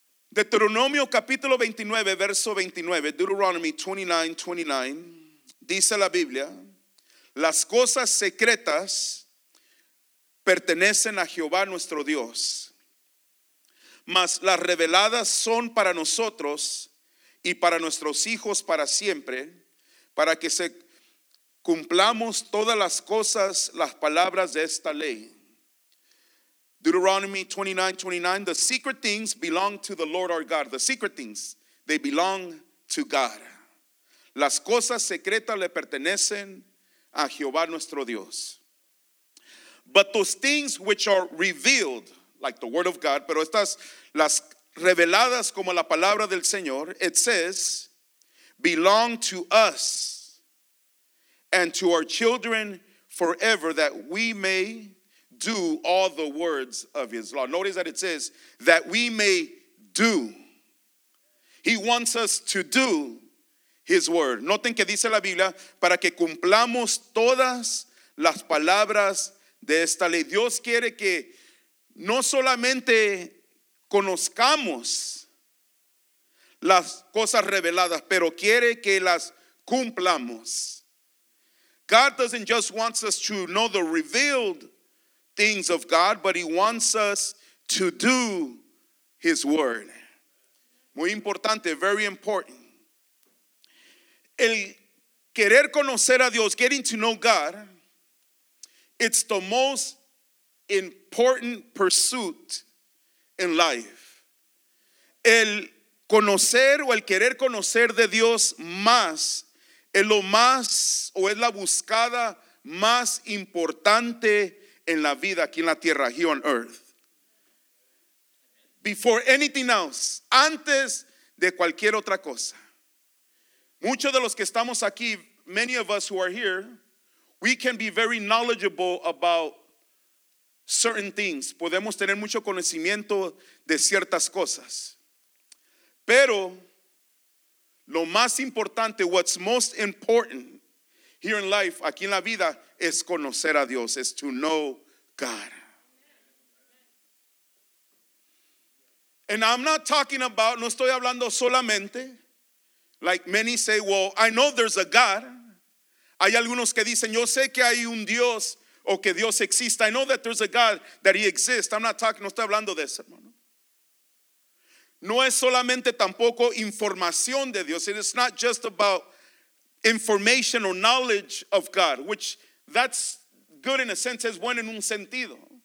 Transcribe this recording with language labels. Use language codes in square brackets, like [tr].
[es] Deuteronomio capítulo 29, verso 29, Deuteronomy 29, 29, dice la Biblia, las cosas secretas pertenecen a Jehová nuestro Dios, mas las reveladas son para nosotros y para nuestros hijos para siempre, para que se cumplamos todas las cosas, las palabras de esta ley. [en] Deuteronomy 29, 29, the secret things belong to the Lord our God. The secret things, they belong to God. [es] Las cosas secretas le pertenecen a Jehová nuestro Dios. [en] But those things which are revealed, like the word of God, [es] pero estas las reveladas como la palabra del Señor, [en] it says, belong to us and to our children forever, that we may do all the words of his law. Notice that it says, that we may do. He wants us to do his word. [es] Noten que dice la Biblia, para que cumplamos todas las palabras de esta ley. Dios quiere que no solamente conozcamos las cosas reveladas, pero quiere que las cumplamos. [en] God doesn't just want us to know the revealed things of God, but he wants us to do his word. [es] Muy importante, [en] very important. [es] El querer conocer a Dios, [en] getting to know God, it's the most important pursuit in life. [es] El conocer o el querer conocer de Dios más es lo más o es la buscada más importante en la vida aquí en la tierra, [en] here on earth. Before anything else, [es] antes de cualquier otra cosa. Muchos de los que estamos aquí, [en] many of us who are here, we can be very knowledgeable about certain things. [es] Podemos tener mucho conocimiento de ciertas cosas. Pero lo más importante, [en] what's most important here in life, [es] aquí en la vida, es conocer a Dios, es [en] to know God. And I'm not talking about, [es] no estoy hablando solamente, [en] like many say, well, I know there's a God. [es] Hay algunos que dicen, yo sé que hay un Dios o que Dios existe. [en] I know that there's a God, that he exists. I'm not talking, [es] no estoy hablando de eso, hermano. No es solamente tampoco información de Dios. [en] It's not just about information or knowledge of God, which that's good in a sense, [es] es bueno en un sentido.